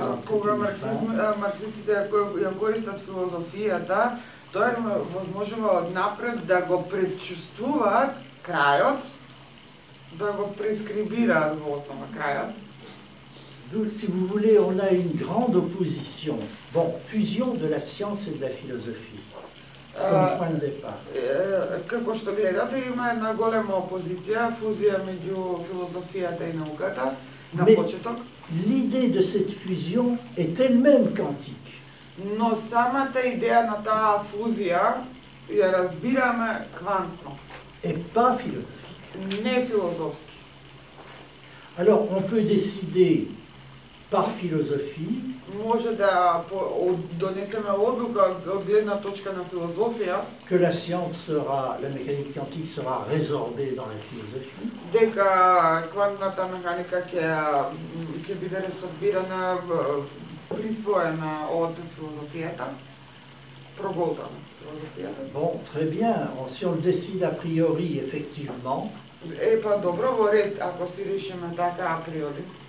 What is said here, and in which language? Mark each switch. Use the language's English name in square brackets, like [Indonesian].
[Macedonian] Кога марксистите ја користат филозофијата, тоа е возможува однапред да го предчувствуваат крајот, да го прескрибираат во основа крајот. [French] Donc, si vous voulez, on a une grande opposition. Bon, fusion de la science et de la philosophie. Comme point de départ. [Macedonian] Како што гледате, има една голема опозиција, фузија меѓу филозофијата и науката, на почеток. [French] L'idée de cette fusion est elle-même quantique. [Macedonian] Но самата идеја на таа фузија ја разбираме квантно. [French] Et pas philosophique. [Macedonian] Не философски. [French] Alors, on peut décider par philosophie. [Macedonian] Може да донесеме одлука од гледна точка на филозофија. [French] Que la science sera, la mécanique quantique sera résorbée dans la philosophie. [Macedonian] Дека квантната механика ќе биде ресорбирана, присвоена од филозофијата, проголтана филозофијата. [French] Bon, très bien. Si on le décide a priori, effectivement. [Macedonian] Е, па добро, во ред, ако си решиме така a priori.